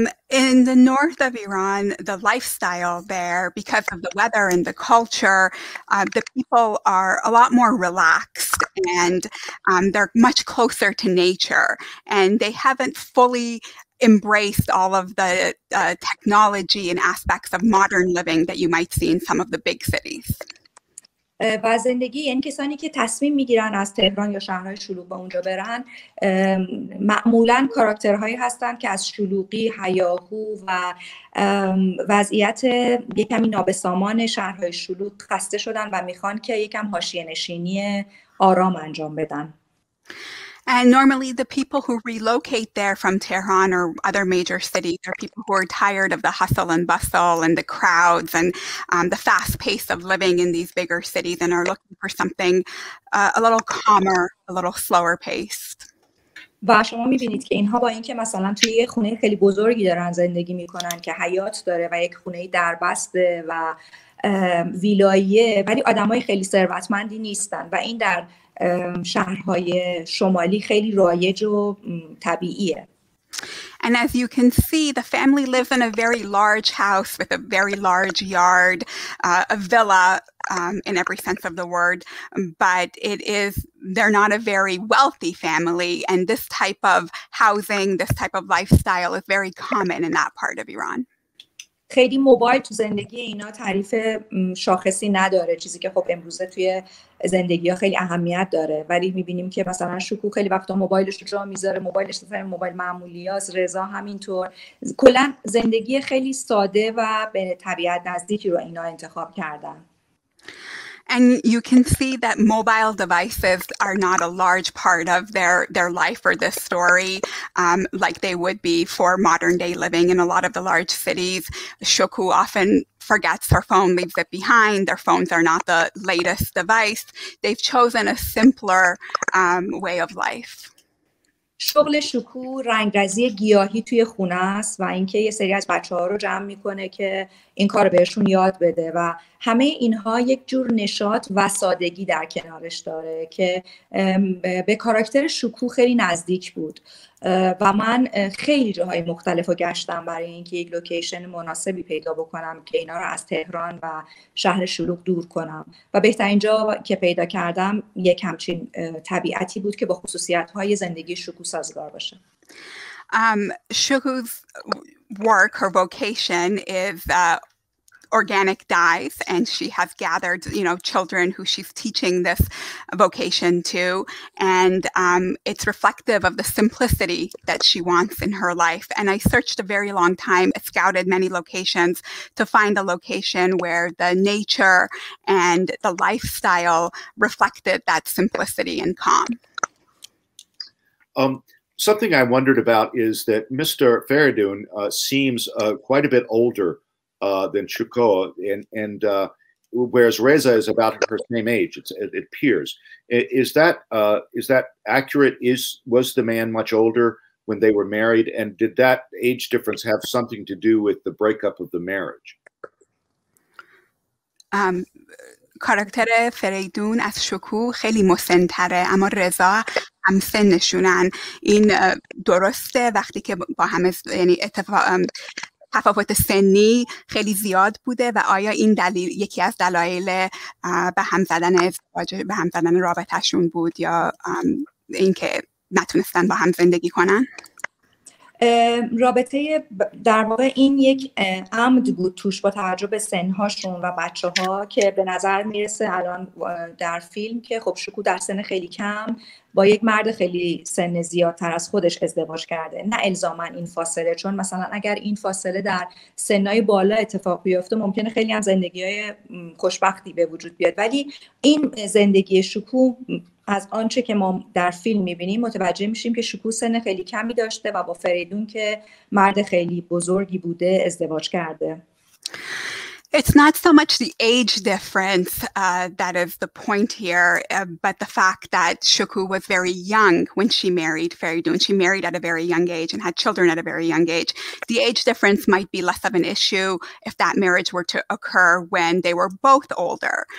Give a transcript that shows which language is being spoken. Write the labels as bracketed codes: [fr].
[en] In the north of Iran, the lifestyle there, because of the weather and the culture, the people are a lot more relaxed and they're much closer to nature. And they haven't fully embraced all of the technology and aspects of modern living that you might see in some of the big cities. [fa] و زندگی این کسانی که تصمیم میگیرن از تهران یا شهرهای شلوغ به اونجا برن معمولا کاراکترهایی هستن که از شلوغی، هیاهو و وضعیت یکمی نابسامان شهرهای شلوغ خسته شدن و میخوان که یکم حاشیه نشینی آرام انجام بدن. [en] And normally the people who relocate there from Tehran or other major cities are people who are tired of the hustle and bustle and the crowds and the fast pace of living in these bigger cities and are looking for something a little calmer, a little slower paced. [fa] و شما میبینید که اینها با اینکه مثلا توی یه خونه خیلی بزرگی دارن زندگی میکنن که حیاط داره و یک خونه دربسته و ویلاییه ولی آدمای خیلی ثروتمندی نیستن و این در شهرهای شمالی خیلی رایج و طبیعیه. [en] And as you can see, the family lives in a very large house with a very large yard, a villa in every sense of the word. But it is they're not a very wealthy family, and this type of housing, this type of lifestyle is very common in that part of Iran. [fa] خیلی موبایل تو زندگی اینا تعریف شاخصی نداره چیزی که خب امروزه توی زندگی ها خیلی اهمیت داره ولی میبینیم که مثلا شکو خیلی وقتا موبایلش رو جا میذاره موبایلش مثلا موبایل معمولی هست رضا همینطور کلا زندگی خیلی ساده و به طبیعت نزدیکی رو اینا انتخاب کردن [en] And you can see that mobile devices are not a large part of their life or this story, like they would be for modern day living in a lot of the large cities. Shoku often forgets her phone, leaves it behind. Their phones are not the latest device. They've chosen a simpler way of life. [fa] شغل شکو رنگرزی گیاهی توی خونه است و اینکه یه سری از بچه ها رو جمع میکنه که این کار بهشون یاد بده و همه اینها یک جور نشاط و سادگی در کنارش داره که به کاراکتر شکو خیلی نزدیک بود و من خیلی جاهای مختلف رو گشتم برای اینکه یک لوکیشن مناسبی پیدا بکنم که اینا رو از تهران و شهر شلوغ دور کنم و بهترین جا که پیدا کردم یک همچین طبیعتی بود که با خصوصیت‌های زندگی شکو سازگار باشه [en] شکو's work her vocation is organic dyes and she has gathered you know children who she's teaching this vocation to and it's reflective of the simplicity that she wants in her life and I searched a very long time scouted many locations to find a location where the nature and the lifestyle reflected that simplicity and calm Something I wondered about is that Mr. Feridun seems quite a bit older than Chukwuka, and whereas Reza is about her same age, it appears. Is that accurate? Was the man much older when they were married? And did that age difference have something to do with the breakup of the marriage? [fa] کاراکتر فریدون از شکو خیلی مسن‌تره اما رضا هم سنشونن این درسته وقتی که با هم یعنی تفاوت سنی خیلی زیاد بوده و آیا این دلیل یکی از دلایل به هم زدن رابطه‌شون بود یا اینکه نتونستن با هم زندگی کنن رابطه در واقع این یک عمد بود توش با توجه به سنهاشون و بچه ها که به نظر میرسه الان در فیلم که خب شکو در سن خیلی کم با یک مرد خیلی سن زیادتر از خودش ازدواج کرده نه الزاماً این فاصله چون مثلا اگر این فاصله در سنهای بالا اتفاق بیفته ممکنه خیلی هم زندگی های خوشبختی به وجود بیاد ولی این زندگی شکو از آنچه که ما در فیلم میبینیم متوجه میشیم که شکو سن خیلی کمی داشته و با فریدون که مرد خیلی بزرگی بوده ازدواج کرده. [en] It's not so much the age difference that is the point here, but the fact that Shuku was very young when she married Feridun. She married at a very young age and had children at a very young age. The age difference might be less of an issue if that marriage were to occur when they were both older.